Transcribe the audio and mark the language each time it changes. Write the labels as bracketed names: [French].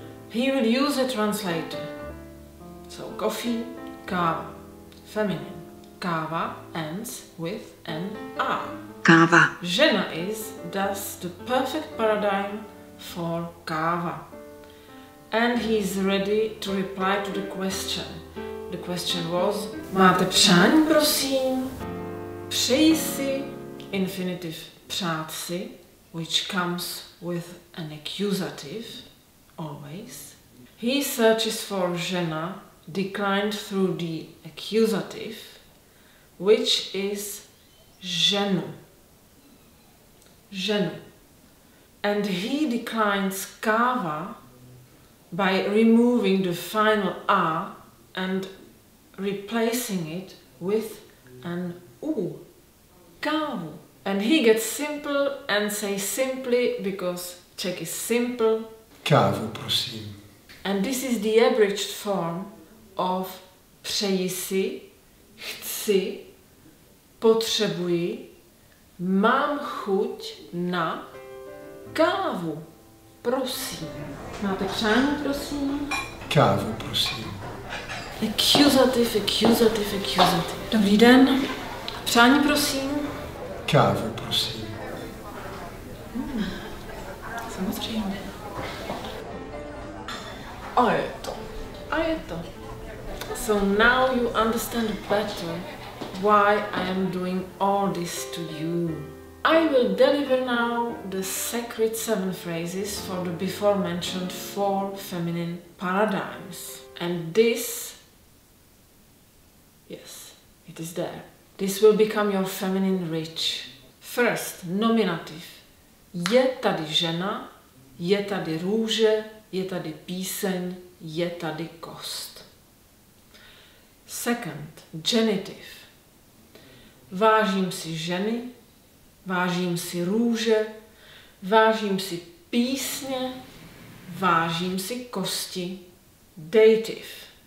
[English] He will use a translator. So coffee, kava. Feminine. Kava ends with an A. Kava. Žena is thus the perfect paradigm for kava. And he is ready to reply to the question. The question was, [Czech] máte přání, prosím? Přeji si. [English] Infinitive přát si, which comes with an accusative. Always. He searches for žena, declined through the accusative, which is ženu. Ženu. And he declines káva by removing the final a and replacing it with an u. Kávu. And he gets simple and says simply because Czech is simple. [Czech] Kávu, prosím. [English] And this is the abridged form of [Czech] přeji si, chci, potřebuji, mám chuť na kávu, prosím. Máte přání, prosím? Kávu, prosím. [English] Accusative, accusative, accusative. [Czech] Dobrý den. Přání, prosím? Kávu, prosím. Samozřejmě. A je to. A je to. S [English] So now you understand better why I am doing all this to you. I will deliver now the sacred seven phrases for the before mentioned four feminine paradigms. And this, yes, it is there. This will become your feminine rich. First, nominative. [Czech] Je tady žena, je tady růže, je tady píseň, je tady kost. [English] Second, genitive. [Czech] Vážím si ženy, vážím si růže, vážím si písně, vážím si kosti. Dative.